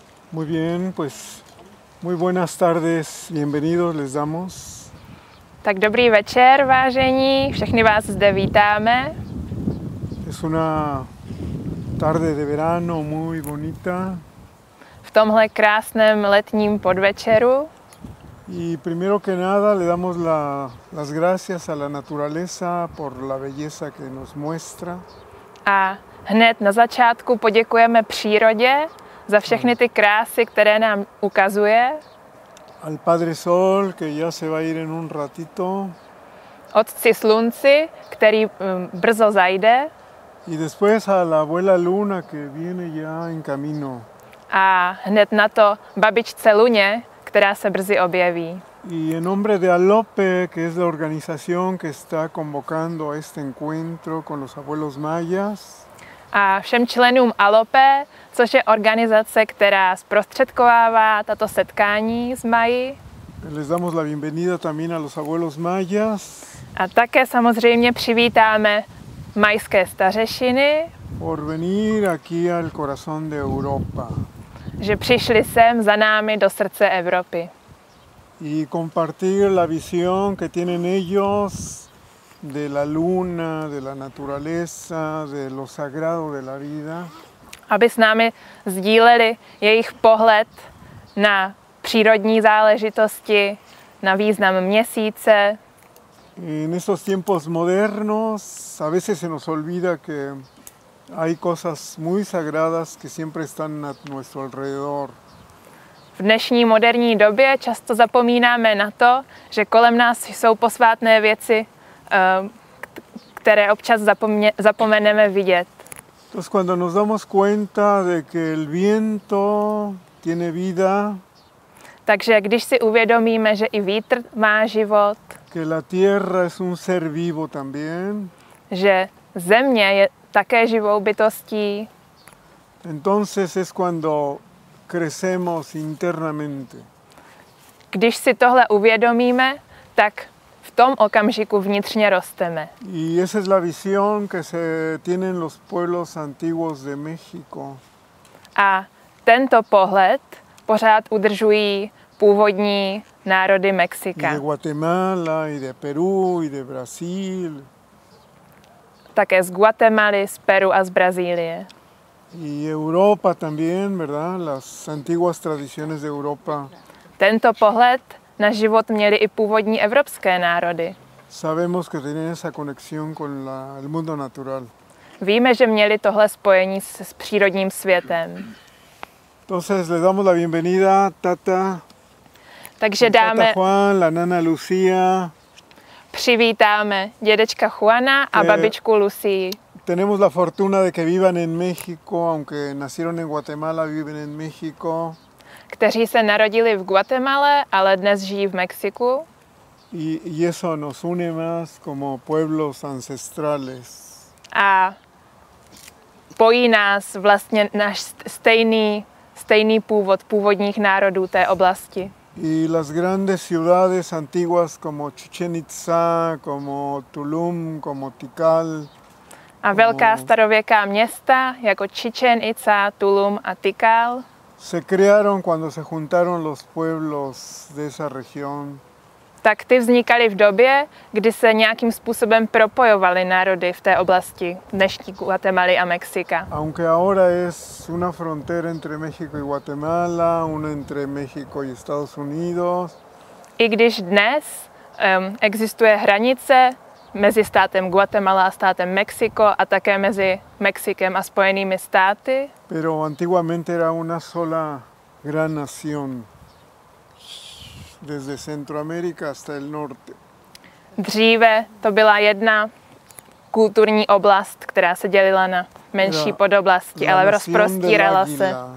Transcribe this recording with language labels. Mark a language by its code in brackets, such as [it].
[es] Muy bien, pues muy buenas tardes, bienvenidos, les damos. [cs] Tak dobrý večer, vážení, všechny vás zde vítáme. [es] Es una tarde de verano muy bonita. [cs] V tomhle krásném letním podvečeru. [es] Y primero que nada le damos las gracias a la naturaleza por la belleza que nos muestra. [cs] A hned na začátku poděkujeme přírodě za všechny ty krásy, které nám ukazuje. [es] Al padre sol, que ya se va a ir en un ratito. [cs] Otci slunci, který brzo zajde. [es] Y después a la abuela luna, que viene ya en camino. [cs] A hned na to babičce luně, která se brzy objeví. [es] Y en nombre de Alope, que es la organización que está convocando a este encuentro con los abuelos mayas. [cs] A všem členům Alope, což je organizace, která zprostředkovává tato setkání s Mají. [es] Les damos la bienvenida también a los abuelos mayas. [cs] A také samozřejmě přivítáme majské stařešiny. [es] Por venir aquí al corazón de Europa. [cs] Že přišli sem za námi do srdce Evropy. [es] Y compartir la visión que tienen ellos de la luna, de la naturaleza, de lo sagrado de la vida. [cs] Aby s námi sdíleli jejich pohled na přírodní záležitosti, na význam měsíce. [es] En estos tiempos modernos a veces se nos olvida que hay cosas muy sagradas que siempre están a nuestro alrededor. [cs] V dnešní moderní době často zapomínáme na to, že kolem nás jsou posvátné věci, které občas zapomeneme vidět. [es] Entonces cuando nos damos cuenta de que el viento tiene vida. [cs] Takže když si uvědomíme, že i vítr má život. [es] Que la tierra es un ser vivo también. [cs] Že země je také živou bytostí. [es] Entonces es cuando crecemos internamente. [cs] Když si tohle uvědomíme, tak v tom okamžiku vnitřně rosteme. [es] Y esa es la visión que se tienen los pueblos antiguos de México. [cs] A tento pohled pořád udržují původní národy Mexika. [es] Y de Guatemala, y de Perú, y de Brasil. [cs] Také z Guatemaly, z Peru a z Brazílie. [es] Y Europa también, ¿verdad? Las antiguas tradiciones de Europa. [cs] Tento pohled na život měli i původní evropské národy. [es] Sabemos que tenían esa conexión con el mundo natural. [cs] Víme, že měli tohle spojení s přírodním světem. [es] Entonces le damos la bienvenida, Tata. [cs] Takže dáme [es] Tata Juan, la nana Lucía. [cs] Přivítáme dědečka Juana a babičku Lucii. [es] Tenemos la fortuna de que vivan en México, aunque nacieron en Guatemala, viven en México. [cs] Kteří se narodili v Guatemale, ale dnes žijí v Mexiku. [es] Y eso nos une más como pueblos ancestrales. [cs] A pojí nás vlastně náš stejný původ původních národů té oblasti. [es] Y las grandes ciudades antiguas como Chichen Itza, como Tulum, como Tikal. [cs] A velká starověká města jako Chichen Itza, Tulum a Tikal. [es] Se crearon cuando se juntaron los pueblos de esa región. [cs] Tak ty vznikaly v době, kdy se nějakým způsobem propojovaly národy v té oblasti dnešní Guatemaly a Mexika. [es] Aunque ahora es una frontera entre México y Guatemala, una entre México y Estados Unidos. [cs] I když dnes existuje hranice mezi státem Guatemala a státem Mexiko a také mezi Mexikem a Spojenými státy. [es] Pero antiguamente era una sola gran nación. Desde Centroamérica hasta el norte. [cs] Dříve to byla jedna kulturní oblast, která se dělila na menší podoblasti, ale rozprostírala se.